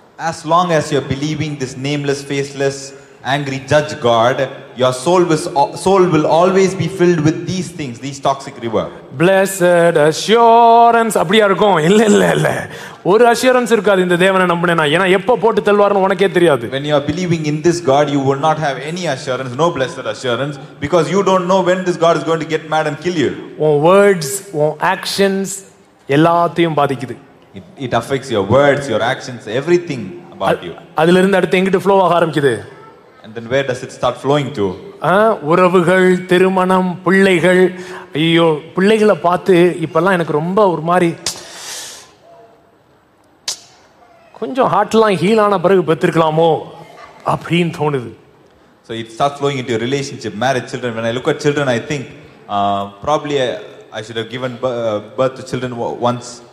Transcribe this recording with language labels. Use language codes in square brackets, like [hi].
[en] As long as you are believing this nameless faceless angry judge God, your soul was soul will always be filled with these things, these toxic river. Blessed assurance [ta] appadi irukum illa ஒரு assurance இருக்காது இந்த தேவனை நம்பினேனா ஏன்னா எப்போ போட்டு தள்ளுவாருன்னு உனக்கே தெரியாது. [en] When you are believing in this God, you will not have any assurance, no blessed assurance, because you don't know when this God is going to get mad and kill you. Your words, your actions [ta] எல்லாத்தையும் பாதிக்குது. [en] It affects your words, your actions, everything about you. [ta] அதுல இருந்து அடுத்து எங்கட்டு flow ஆக ஆரம்பிக்குது? [en] And then where does it start flowing to? [ta] உறவுகள், திருமணம், பிள்ளைகள். ஐயோ, பிள்ளைகளை பார்த்து இப்பெல்லாம் எனக்கு ரொம்ப ஒரு மாதிரி கொஞ்சம் ஹார்ட்லாம் ஹீல் ஆன பிறகு பெற்றிருக்கலாமோ அப்படின்னு தோணுது. [en] So it starts flowing into your relationship, marriage, children. When I look at children, I think probably I should have given birth to children once.